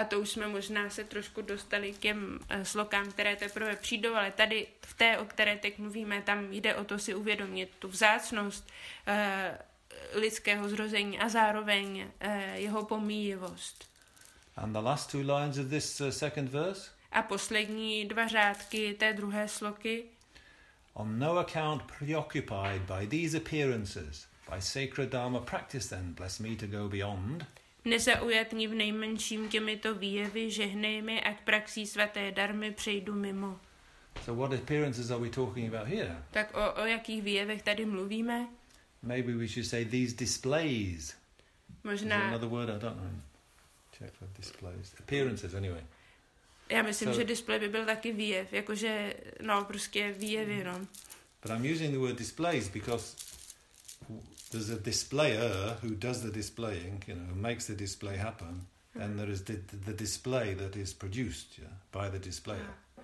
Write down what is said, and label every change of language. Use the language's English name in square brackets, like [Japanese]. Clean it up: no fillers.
[Czech] A to už jsme možná se trošku dostali k těm slokám, které teprve přijdou, ale tady v té, o které teď mluvíme, tam jde o to si uvědomit tu vzácnost lidského zrození a zároveň jeho pomíjivost. [English] And the last two lines of this second verse? [Czech] A poslední dva řádky té druhé sloky. [English] On no account preoccupied by these appearances, by sacred dharma practice then, bless me to go beyond. [Czech] Nezaujat ni v nejmenším těmito výjevy, žehnej mi, ať praxí svaté dharmy přejdu mimo. [English] So what appearances are we talking about here? [Czech] Tak o jakých výjevech tady mluvíme? [English] Maybe we should say these displays. [Czech] Možná. [English] Is there another word? I don't know. Check for displays. Appearances, anyway. [Czech] Já myslím, že display by byl taky výjev, jakože, prostě výjev jenom. [English] But I'm using the word displays because there's a displayer who does the displaying, you know, who makes the display happen, and there is the display that is produced, yeah, by the displayer.